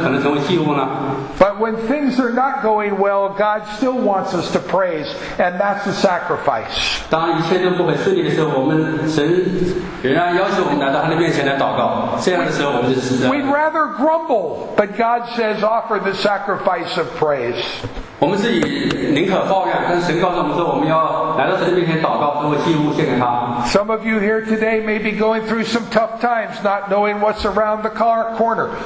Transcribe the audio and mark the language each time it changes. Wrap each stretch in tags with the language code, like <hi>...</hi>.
<en>But when things are not going well, God still wants us to praise, and that's a sacrifice. We'd rather grumble, but God says, offer the sacrifice of praise.</en> <zh>我们自己宁可抱怨，但是神告诉我们说，我们要来到神的面前祷告，作为祭物献给他。</zh> <en>Some of you here today may be going through some tough times, not knowing what's around the car corner.</en>